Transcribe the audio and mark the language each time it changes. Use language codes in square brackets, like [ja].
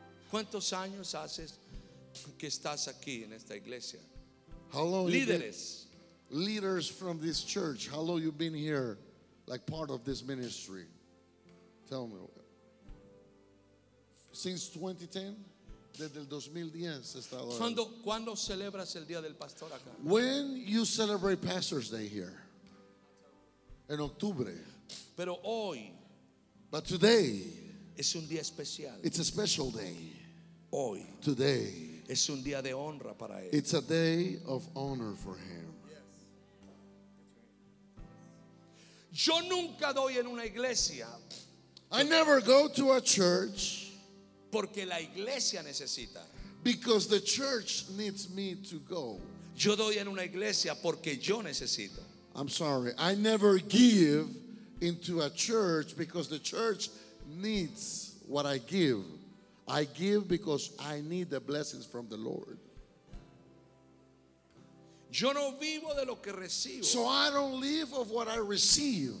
[es] ¿Cuántos años haces que estás aquí en esta iglesia? [en] How long leaders? Leaders from this church. How long you've been here, like part of this ministry? Tell me. Since 2010. [es] Desde el 2010 hasta ahora. ¿Cuándo celebras el día del pastor acá? [en] When you celebrate Pastor's Day here? [es] En octubre. Pero hoy. [en] But today. [es] Es un día especial. [en] It's a special day. [es] Hoy. [en] Today. [es] Es un día de honra para él. [en] It's a day of honor for him. [es] Yo nunca doy en una iglesia. [en] I never go to a church. [es] Porque la iglesia necesita. [en] Because the church needs me to go. [es] Yo doy en una iglesia porque yo necesito. [en] I'm sorry. I never give into a church because the church needs what I give. I give because I need the blessings from the Lord. [es] Yo no vivo de lo que recibo. [en] So I don't live of what I receive.